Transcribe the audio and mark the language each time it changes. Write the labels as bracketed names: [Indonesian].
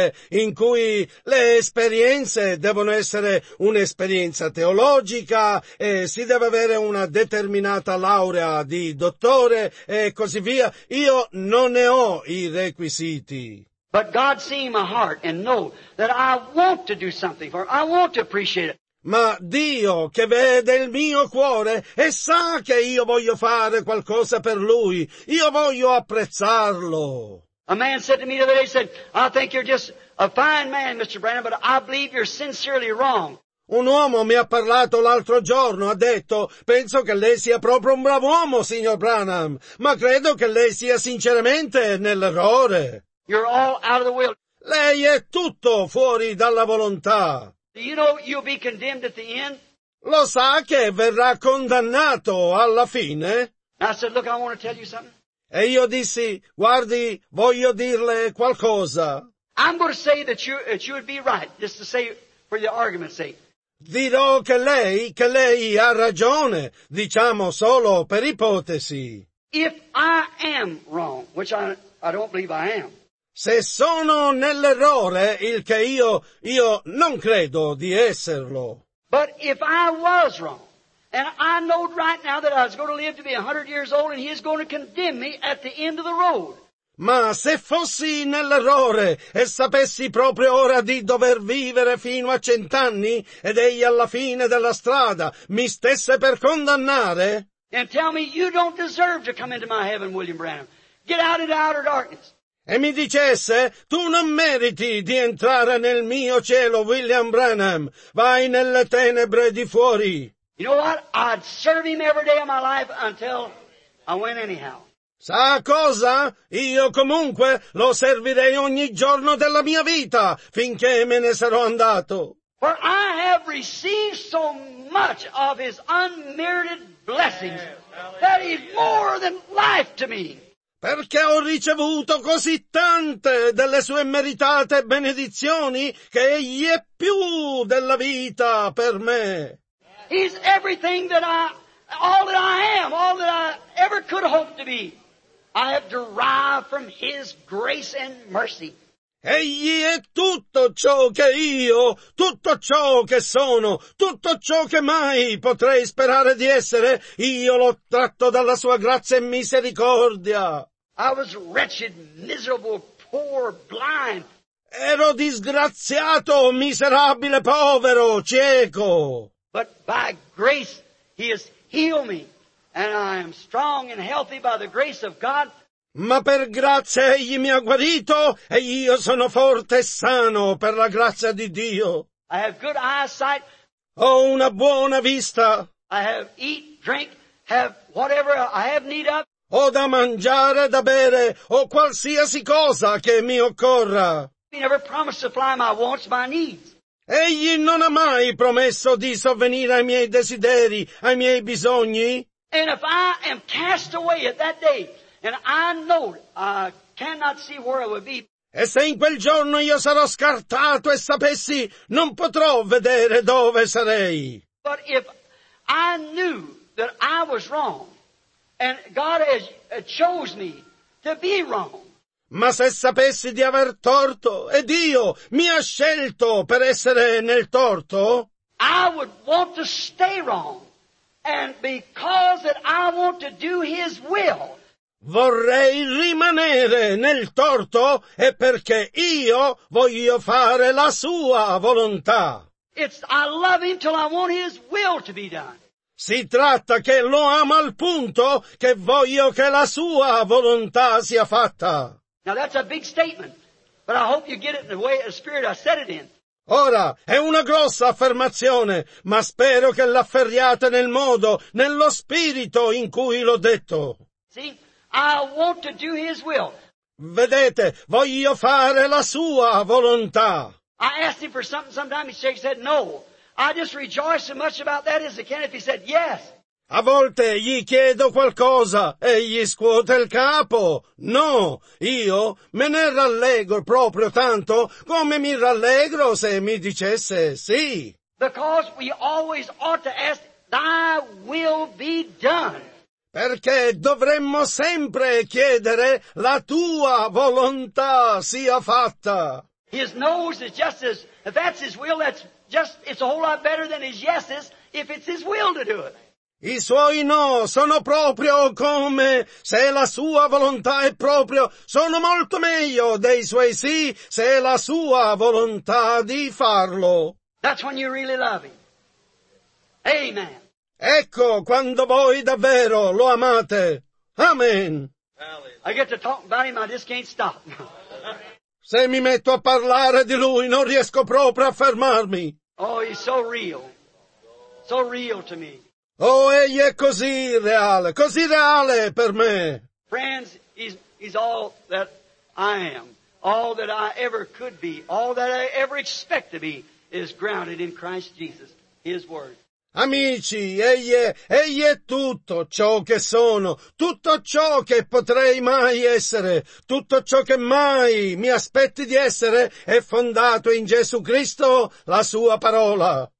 [Italian] In cui le esperienze devono essere un'esperienza teologica e si deve avere una determinata laurea di dottore e così via. Io non ne ho i requisiti. [English] But God see my heart and know that I want to do something for it. I want to appreciate it. [Italian] Ma Dio che vede il mio cuore e sa che io voglio fare qualcosa per Lui. Io voglio apprezzarlo. [English] A man said to me the other day, he said, I think you're just a fine man, Mr. Branham, but I believe you're sincerely wrong. [Italian] Un uomo mi ha parlato l'altro giorno, ha detto, penso che lei sia proprio un bravo uomo, signor Branham, ma credo che lei sia sinceramente nell'errore. [English] You're all out of the will. [Italian] Lei è tutto fuori dalla volontà. [English] Do you know you'll be condemned at the end? [Italian] Lo sa che verrà condannato alla fine? [English] I said, look, I want to tell you something. [Italian] E io dissi, guardi, voglio dirle qualcosa. [English] I'm going to say that you would be right, just to say for the argument's sake. [Italian] Dirò che lei ha ragione, diciamo solo per ipotesi. [English] If I am wrong, which I don't believe I am. [Italian] Se sono nell'errore, il che io non credo di esserlo. [English] But if I was wrong. And I know right now that I was going to live to be 100 years old and he is going to condemn me at the end of the road. [Italian] Ma se fossi nell'errore e sapessi proprio ora di dover vivere fino a 100 anni ed egli alla fine della strada mi stesse per condannare. [English] And tell me you don't deserve to come into my heaven, William Branham. Get out into outer darkness. [Italian] E mi dicesse, tu non meriti di entrare nel mio cielo, William Branham. Vai nelle tenebre di fuori. [English] You know what? I'd serve him every day of my life until I went anyhow. [Italian] Sa cosa? Io comunque lo servirei ogni giorno della mia vita finché me ne sarò andato. [English] For I have received so much of his unmerited blessings that he's more than life to me. [Italian] Perché ho ricevuto così tante delle sue meritate benedizioni che egli è più della vita per me. [English] He's everything that I, all that I am, all that I ever could hope to be. I have derived from His grace and mercy. [Italian] Egli è tutto ciò che io, tutto ciò che sono, tutto ciò che mai potrei sperare di essere, io l'ho tratto dalla sua grazia e misericordia. [English] I was wretched, miserable, poor, blind. [Italian] Ero disgraziato, miserabile, povero, cieco. [English] But by grace He has healed me, and I am strong and healthy by the grace of God. [Italian] Ma per grazia Egli mi ha guarito, e io sono forte e sano per la grazia di Dio. [English] I have good eyesight. [Italian] Ho una buona vista. [English] I have eat, drink, have whatever I have need of. [Italian] Ho da mangiare, da bere, o qualsiasi cosa che mi occorra. [English] He never promised to supply my wants, my needs. [Italian] Egli non ha mai promesso di sovvenire ai miei desideri, ai miei bisogni. [English] And if I am cast away at that day, and I know I cannot see where I would be. [Italian] E se in quel giorno io sarò scartato e sapessi, non potrò vedere dove sarei. [English] But if I knew that I was wrong, and God has chose me to be wrong. [Italian] Ma se sapessi di aver torto, e Dio mi ha scelto per essere nel torto. [English] I would want to stay wrong, and because that I want to do His will. [Italian] Vorrei rimanere nel torto è perché io voglio fare la sua volontà. [English] It's I love Him till I want His will to be done. [Italian] Si tratta che lo amo al punto che voglio che la sua volontà sia fatta. [English] Now that's a big statement, but I hope you get it in the way of the Spirit I said it in. [Italian] Ora, è una grossa affermazione, ma spero che l'afferriate nel modo, nello spirito in cui l'ho detto. [English] See? I want to do His will. [Italian] Vedete, voglio fare la sua volontà. [English] I asked Him for something sometimes, He said no. I just rejoice so much about that as I can if He said yes. [Italian] A volte gli chiedo qualcosa e gli scuote il capo. No, io me ne rallegro proprio tanto come mi rallegro se mi dicesse sì. [English] Because we always ought to ask, Thy will be done. [Italian] Perché dovremmo sempre chiedere la tua volontà sia fatta. [English] His no's is just as, if that's His will, that's just, it's a whole lot better than His yes's if it's His will to do it. [Italian] I suoi no sono proprio come, se la sua volontà è proprio, sono molto meglio dei suoi sì, se è la sua volontà di farlo. [English] That's when you really love Him. Amen. [Italian] Ecco quando voi davvero lo amate. Amen. [English] I get to talk about Him, I just can't stop. [Italian] Se mi metto a parlare di Lui, non riesco proprio a fermarmi. [English] Oh, He's so real. So real to me. [Italian] Oh, Egli è così reale per me. [English] Friends, He's all that I am. All that I ever could be. All that I ever expect to be is grounded in Christ Jesus, His Word. [Italian] Amici, egli è tutto ciò che sono, tutto ciò che potrei mai essere, tutto ciò che mai mi aspetti di essere è fondato in Gesù Cristo, la sua parola.